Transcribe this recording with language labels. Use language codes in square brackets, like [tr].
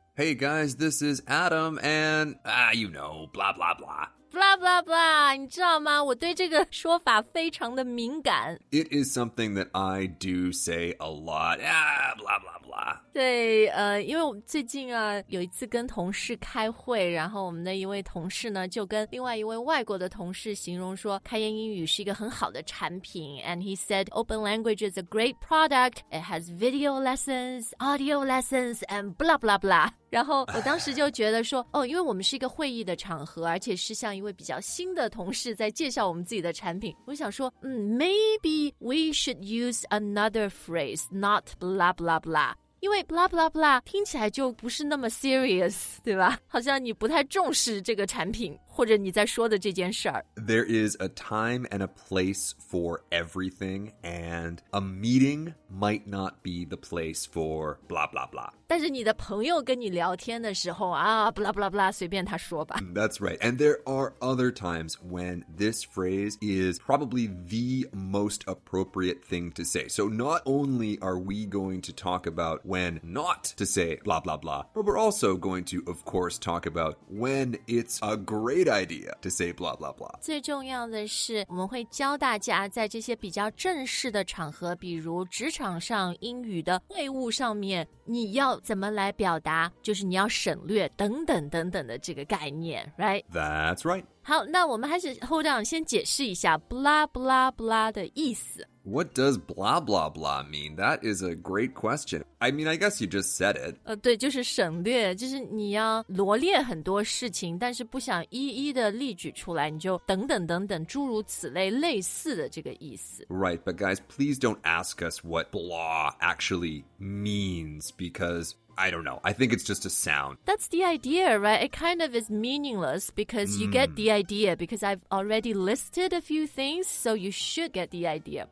[en] Hey guys, this is Adam and, you know, blah blah blah. [zh] Blah blah blah, 你知道吗？我对这个说法非常的敏感。 [en] It is something that I do say a lot. Blah blah blah. [zh] 对，因为我最近啊，有一次跟同事开会，然后我们的一位同事呢，就跟另外一位外国的同事形容说，开言英语是一个很好的产品。 [en] And he said, open language is a great product. It has video lessons, audio lessons, and blah blah blah. [zh] 然后我当时就觉得说，哦，因为我们是一个会议的场合，而且是像一位比较新的同事在介绍我们自己的产品，我想说，嗯 ， [en] maybe we should use another phrase, not blah blah [zh] blah， 因为 blah blah blah 听起来就不是那么 serious， 对吧？好像你不太重视这个产品，或者你在说的这件事儿。 [en] There is a time and a place for everything, and a meeting might not be the place for blah blah blah. [zh] 但是你的朋友跟你聊天的时候啊 blah blah blah 随便他说吧 [en] That's right. And there are other times when this phrase is probably the most appropriate thing to say. So not only are we going to talk about when not to say blah blah blah, but we're also going to, of course, talk about when it's a great idea to say blah blah blah. [zh] 最重要的是我们会教大家在这些比较正式的场合比如职场上英语的会务上面你要怎么来表达就是你要省略等等等等的这个概念 right? [en] That's right. [zh] 好那我们还是 [en] hold on [zh] 先解释一下 blah blah blah 的意思。 [en] What does blah blah blah mean? That is a great question. I mean, I guess you just said it. [zh] 对就是省略就是你要罗列很多事情但是不想一一的例举出来你就等等等等诸如此类类似的这个意思。 [en] Right, but guys, please don't ask us what blah actually means because... I don't know. I think it's just a sound. That's the idea, right? It kind of is meaningless because you get the idea because I've already listed a few things, so you should get the idea.